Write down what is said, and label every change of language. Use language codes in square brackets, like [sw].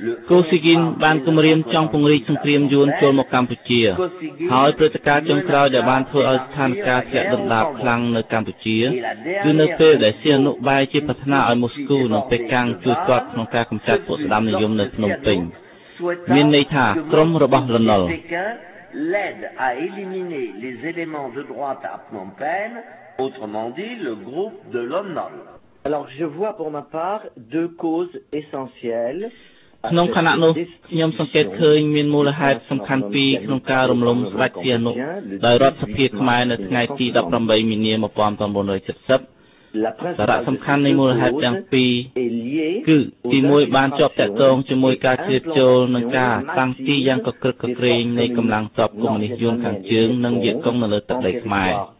[km] កូស៊ីគីនបានគម្រាមចង់ពង្រីកសង្គ្រាមយួនចូលមកកម្ពុជាហើយព្រឹត្តិការណ៍ចុងក្រោយដែលបានធ្វើឲ្យស្ថានភាពជាដំដាបខ្លាំងនៅកម្ពុជាគឺនៅពេលដែលសៀនុបាយជាប្រាថ្នាឲ្យមូស្គូនិងប៉េកាំងជួយគាត់ក្នុងការកម្ចាត់ពួកស្ដាំនិយមនៅភ្នំពេញ មានន័យថាក្រុមរបស់លន់នល់ [fr] led à éliminer les éléments de droite à Phnom Penh autrement dit le groupe de Lon Nol alors je vois pour ma part deux causes essentielles [km] ក្នុងខណៈនោះខ្ញុំសង្កេតឃើញមានមូលហេតុសំខាន់ពីរក្នុងការរំលំស្ដេចសៀននោះដោយរដ្ឋសភាខ្មែរនៅថ្ងៃទី18មីនា1970សារៈសំខាន់នៃមូលហេតុទាំងពីរគឺទី1បានជាប់ទាក់ទងជាមួយការជ្រៀតចូលនិងការតាំងទីយ៉ាងកក្រឹកកក្រែងនៃកម្លាំងទ័ពកុម្មុយនីស្តយួនខាងជើងនិងវៀតកុងនៅលើទឹកដីខ្មែរ